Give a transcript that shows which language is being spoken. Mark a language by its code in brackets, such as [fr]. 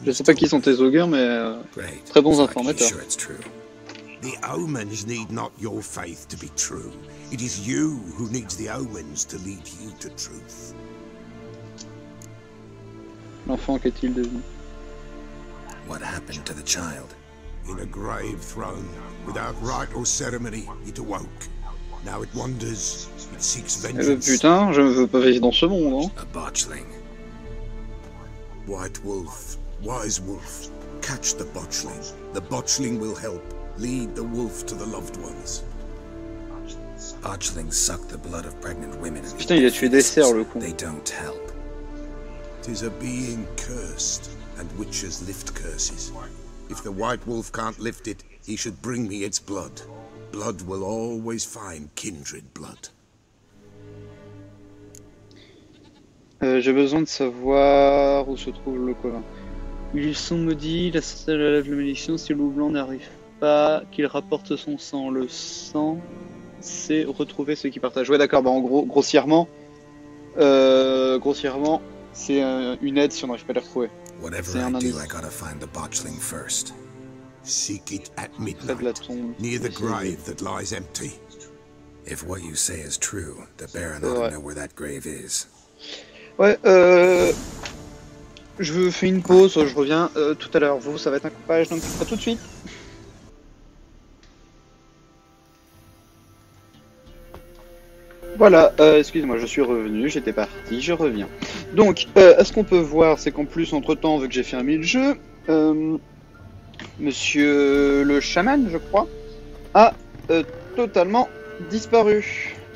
[fr] Je sais pas qui sont tes augures, mais très bons informateurs. [en] Sure it's true. The omens need not your faith to be true. It is you who needs the omens to lead you to truth. [fr] L'enfant qu'est-il devenu? [en] What happened to the child? In a grave thrown, without rite or ceremony, it awoke. Now it wanders, it seeks vengeance. [fr] Eh ben, putain, je ne veux pas vivre dans ce monde, hein? [en] A botchling. White wolf, wise wolf, catch the botchling. The botchling will help. Lead the wolf to the loved ones. Botchlings suck the blood of pregnant women. [fr] Putain, il a tué des cerfs, le con. [en] They don't help. It is a being cursed, and witches lift curses. If the white wolf can't lift it, he should bring me its blood. Blood will always find kindred blood. [fr] J'ai besoin de savoir où se trouve le colin. Ils sont maudits, la sorcière lève la malédiction. Si le loup blanc n'arrive pas, qu'il rapporte son sang. Le sang, c'est retrouver ceux qui partagent. Ouais, d'accord, bah en gros, grossièrement, c'est une aide si on n'arrive pas à les retrouver. [en] Whatever I do, I gotta find the botchling first. Seek it at midnight, near the grave that lies empty. If what you say is true, the Baron ought to know where that grave is. [fr] Ouais, je fais une pause, je reviens tout à l'heure. Vous, ça va être un coupage, donc à tout de suite. Voilà, excuse-moi, je suis revenu, j'étais parti, je reviens. Donc, ce qu'on peut voir, c'est qu'en plus, entre-temps, vu que j'ai fermé le jeu, monsieur le chaman, je crois, a totalement disparu.